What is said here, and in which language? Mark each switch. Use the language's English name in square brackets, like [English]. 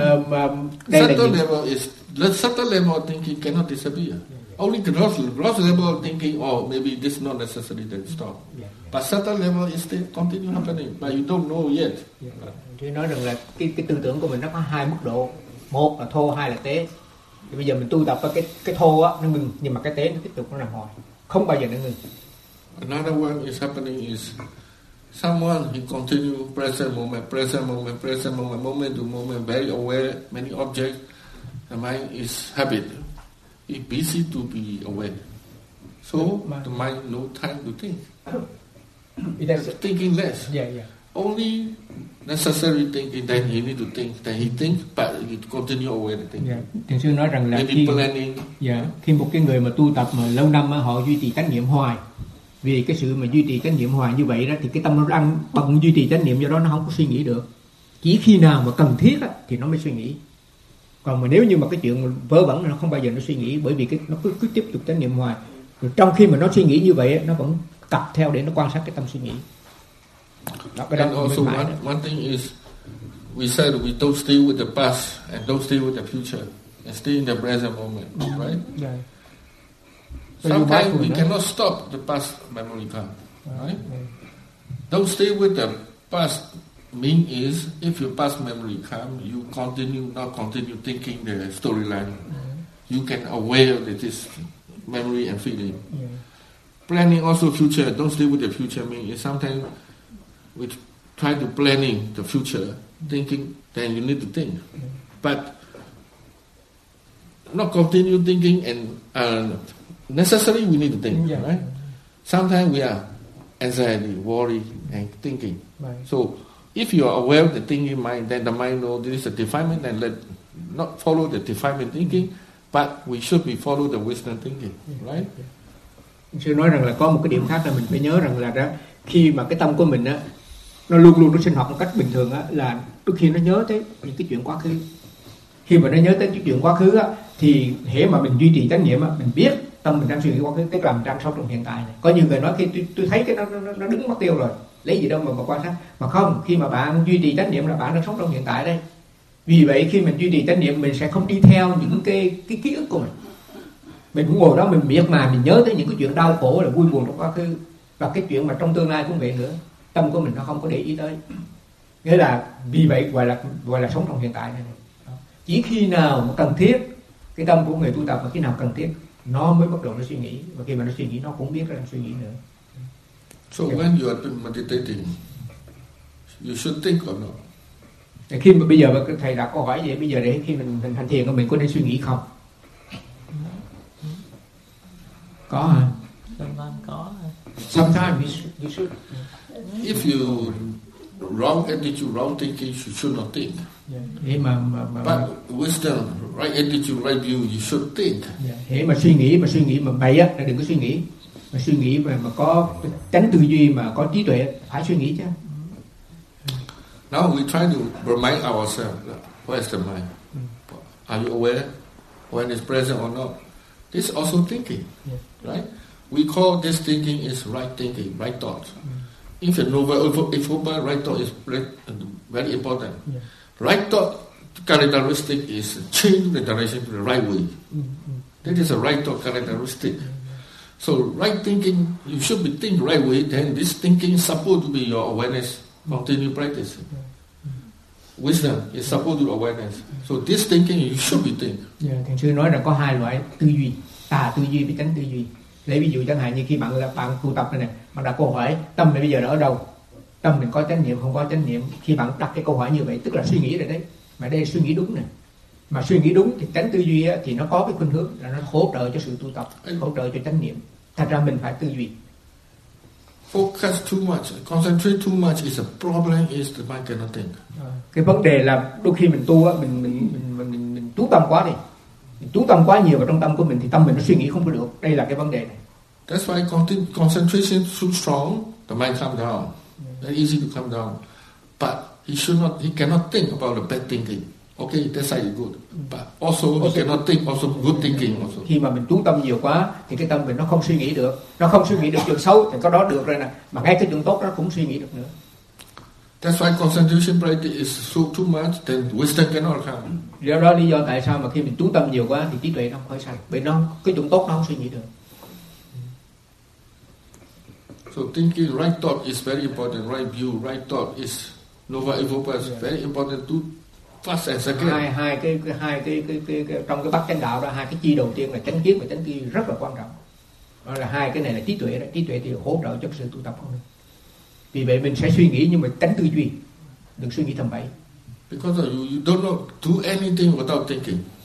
[English] Subtle level is, the subtle level of thinking cannot disappear. Only gross level of thinking, oh, maybe this is not necessary, then stop. But certain level is still continue happening, but you don't know yet. [Vietnamese] Tôi nói rằng là cái tư tưởng của mình nó có hai mức độ, một là thô, hai là tế. Thì bây giờ mình tu tập cái thô á nó ngừng, nhưng mà cái tế nó tiếp tục nó làm hồi, không bao giờ nó ngừng. [English] Another one is happening is someone he continue present moment, present moment, present moment, moment to moment, very aware many objects, the mind is habit, it busy to be aware, so the mind no time to think. Thinking less. Yeah. Only necessary thinking, then he need to think, then he think, but he continue aware the thing. [Vietnamese] Yeah. Thiền sư nói rằng là [English] maybe [Vietnamese] khi, [English] planning. Yeah. [Vietnamese] Khi một cái người mà tu tập mà lâu năm mà họ duy trì chánh niệm hoài, vì cái sự mà duy trì chánh niệm hoài như vậy đó thì cái tâm nó đang bận duy trì chánh niệm, do đó nó không có suy nghĩ được. Chỉ khi nào mà cần thiết đó, thì nó mới suy nghĩ. Còn mà nếu như mà cái chuyện vớ vẩn nó không bao giờ nó suy nghĩ, bởi vì cái nó cứ tiếp tục chánh niệm hoài. Rồi trong khi mà nó suy nghĩ như vậy nó vẫn tập theo để nó quan sát cái tâm suy nghĩ. Đó, cái [English] and also one thing is, we said we don't stay with the past and don't stay with the future, and stay in the present moment, right? Yeah. So sometimes we cannot stop the past memory come, right? Yeah. Don't stay with the past mean is if your past memory come, you continue thinking the storyline. Yeah. You can aware that this memory and feeling. Yeah. Planning also future, don't stay with the future. I mean, sometimes we try to planning the future, thinking, then you need to think. But not continue thinking, and necessarily we need to think, right? Sometimes we are anxiety, worry, and thinking. Right. So if you are aware of the thinking mind, then the mind knows this is a defilement, and let not follow the defilement thinking, but we should be follow the wisdom thinking, right? Yeah. [Vietnamese] Sư nói rằng là có một cái điểm khác là mình phải nhớ rằng là đó, khi mà cái tâm của mình á, nó luôn luôn nó sinh hoạt một cách bình thường á, là đôi khi nó nhớ tới những cái chuyện quá khứ. Khi mà nó nhớ tới cái chuyện quá khứ á, thì hễ mà mình duy trì chánh niệm á, mình biết tâm mình đang suy nghĩ quá khứ, tức là mình đang sống trong hiện tại này. Có nhiều người nói khi tôi thấy cái nó đứng mất tiêu rồi, lấy gì đâu mà quan sát. Mà không, khi mà bạn duy trì chánh niệm là bạn đang sống trong hiện tại đây. Vì vậy khi mình duy trì chánh niệm, mình sẽ không đi theo những cái ký ức của mình. Mình cũng ngồi đó mình miệt mài, mình nhớ tới những cái chuyện đau khổ là vui buồn trong quá khứ, và cái chuyện mà trong tương lai cũng vậy nữa, tâm của mình nó không có để ý tới, nghĩa là vì vậy gọi là sống trong hiện tại này. Chỉ khi nào mà cần thiết, cái tâm của người tu tập mà khi nào cần thiết nó mới bắt đầu nó suy nghĩ, và khi mà nó suy nghĩ nó cũng biết nó đang suy nghĩ nữa. [English] So when you are meditating, you should think or not? [Vietnamese] Khi mà bây giờ thầy đặt câu hỏi vậy, bây giờ để khi mình hành thiền của mình có nên suy nghĩ không? Có hả? Có. [English] Sometimes you should. If you wrong attitude, wrong thinking, you should not think. Yeah. But wisdom, right attitude, right view, you should think. Yeah. [Vietnamese] Hễ mà suy nghĩ, mà suy nghĩ mà bậy á, là đừng có suy nghĩ. Mà suy nghĩ mà có tránh tư duy, mà có trí tuệ, phải suy nghĩ chứ. [English] Now we try to remind ourselves, where is the mind? Are you aware when it's present or not? This also thinking, right? We call this thinking is right thinking, right thought. If a novel, if open, right thought is very important. Yeah. Right thought characteristic is change the direction to the right way. Mm-hmm. That is a right thought characteristic. So right thinking, you should be think right way, then this thinking is supposed to be your awareness, continue practice. Wisdom is supposed to be awareness. So this thinking you should be think. [Vietnamese] Yeah, thiền sư nói là có hai loại tư duy, tà tư duy với chánh tư duy. Lấy ví dụ chẳng hạn như khi bạn tu tập này nè, bạn đặt câu hỏi tâm mình bây giờ ở đâu, tâm mình có chánh niệm không có chánh niệm. Khi bạn đặt cái câu hỏi như vậy tức là suy nghĩ rồi đấy, mà đây suy nghĩ đúng nè. mà suy nghĩ đúng thì tránh tư duy á, thì nó có cái khuynh hướng là nó hỗ trợ cho sự tu tập, hỗ trợ cho chánh niệm. Thành ra mình phải tư duy. [English] Focus too much, concentrate too much is a problem, is the mind cannot think. [Vietnamese] Cái vấn đề là đôi khi mình tu á, mình tu tâm quá đi. Mình tu tâm quá nhiều vào trong tâm của mình thì tâm mình nó suy nghĩ không có được. Đây là cái vấn đề này. [English] That's why concentration too strong, the mind calm down. Yeah. It's easy to calm down. But he cannot think about the bad thinking. Okay, that's why it's good. But also, he cannot think also good thinking also. [Vietnamese] Khi mà mình chú tâm nhiều quá, thì cái tâm mình nó không suy nghĩ được. Nó không suy nghĩ được chuyện xấu, thì có đó được rồi nè. Mà ngay cái chuyện tốt nó cũng suy nghĩ được nữa. [English] That's why concentration practice is so too much, then wisdom cannot come. Do you know [Vietnamese] lý do tại sao mà khi mình chú tâm nhiều quá, thì trí tuệ nó không khởi sanh? Vì nó, cái chuyện tốt nó không suy nghĩ được. [English] So thinking right thought is very important, right view, right thought is nova evopa is very important to first and second. [Vietnamese] Hai cái trong cái bát chánh đạo đó, hai cái chi đầu tiên là chánh kiến và chánh tư rất là quan trọng. Đó là hai cái này là trí tuệ đó, trí tuệ thì hỗ trợ cho sự tu tập không được. Vì vậy mình sẽ suy nghĩ nhưng mà tránh tư duy, đừng suy nghĩ thầm bậy. [English] Because you don't know do anything without thinking.